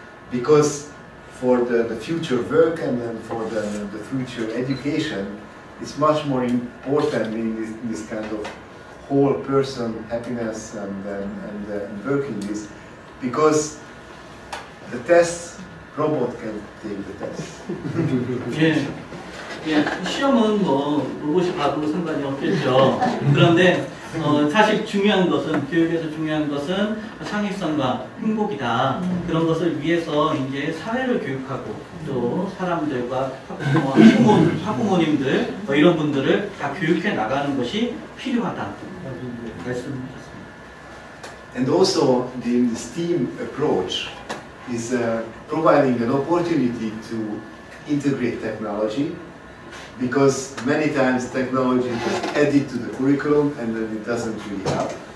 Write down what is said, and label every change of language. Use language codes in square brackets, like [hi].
[en] because for the future work and then for the future education, it's much more important in this kind of whole person happiness and working this, because the test, robot can take the test. Yeah. [ko] 예, 시험은 뭐 로봇이 봐도 상관이 없겠죠. 그런데 사실 중요한 것은 교육에서 중요한 것은 창의성과 행복이다. 그런 것을 위해서 이제 사회를 교육하고 또 사람들과 학부모님들 뭐 이런 분들을 다 교육해 나가는 것이 필요하다. 말씀하셨습니다. [en] And also the STEAM approach is providing an opportunity to integrate technology. Because many times technology is added to the curriculum and then it doesn't really help.